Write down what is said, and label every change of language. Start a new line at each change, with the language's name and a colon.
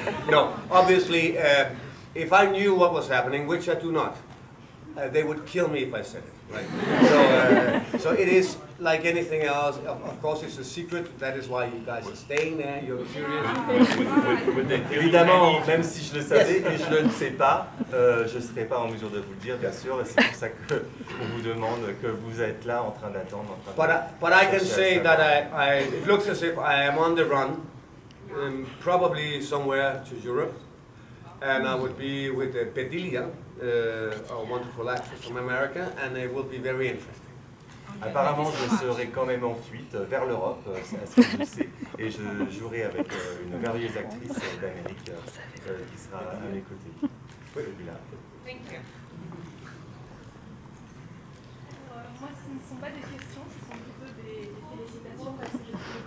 English: No, obviously. If I knew what was happening, which I do not, they would kill me if I said it, right? So it is like anything else. Of course, it's a secret. That is why you guys are staying there. You're curious.
French: Évidemment, même si je le savais et je ne le sais pas, je ne serai pas en mesure de vous le dire, bien sûr. Et c'est pour ça qu'on vous demande que vous êtes là en train d'attendre. But I can say that it looks as if I am on the run, probably somewhere to Europe. And I would be with Bedelia, a wonderful actress from America, and it will be very interesting. Apparemment, je serai quand même en fuite vers l'Europe, c'est assez poussé, et je jouerai avec une merveilleuse actrice d'Amérique qui sera à mes côtés. Oui, Bedelia.
English: Thank you.
French: Moi, ce ne sont pas des questions, ce sont plutôt des hésitations parce que j'ai trouvé le